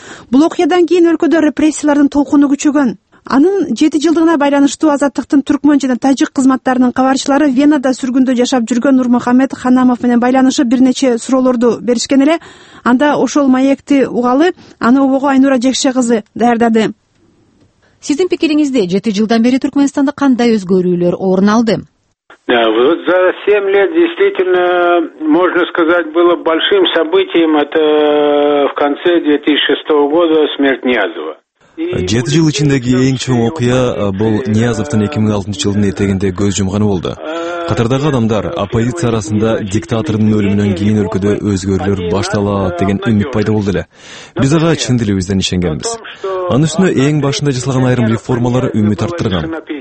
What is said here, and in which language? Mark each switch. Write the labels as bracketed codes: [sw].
[ky] Бул окуядан кийин өлкөдө репрессиялардын толкуну күчөгөн. Анын 7 жылдыгына байланыштуу азаттыктын түркмөн жана тажик кызматтарынын кабарчылары Венада сүргүндө жашап жүргөн Нурмухаммед Ханамов менен байланышып бир нече суроолорду беришкен эле. Анда ошол маекти угалы аны обого Айнура Жекше кызы даярдады. Сиздин пикириңизде 7 жылдан бери Түркмөнстанда кандай өзгөрүүлөр орун алды? [ru] За 7 лет действительно, можно сказать, было большим событием. Это в конце 2006 года смерть Ниязова. [ky] 7 жыл ичиндеги эң чоң окуя бул Ниязовдун 2006 жылдын этегинде көз жумганы болду. Катардагы адамдар оппозиция арасында диктатордун өлүмүнөн кийин өлкөдө өзгөрүүлөр башталат деген үмүт пайда болду эле. Биз ага чын дилибизден ишенгенбиз. Анын үстүнө эң башында жасалган айрым реформалар үмүт арттырган.